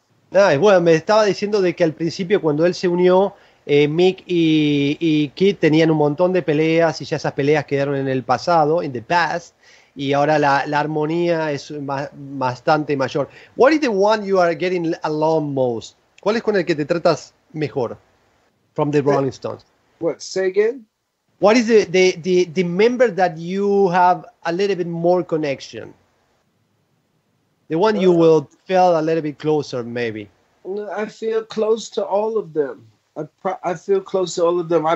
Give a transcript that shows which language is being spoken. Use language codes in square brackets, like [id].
[es] Nice. Bueno, me estaba diciendo de que al principio, cuando él se unió, Mick y Keith tenían un montón de peleas y ya esas peleas quedaron en el pasado, [en] in the past. [es] Y ahora la armonía es bastante mayor. [en] What is the one you are getting along most? [es] ¿Cuál es con el que te tratas mejor? [en] From the Rolling Stones. What, say again? What is the member that you have a little bit more connection? The one you will feel a little bit closer, maybe. I feel close to all of them. I feel close to all of them.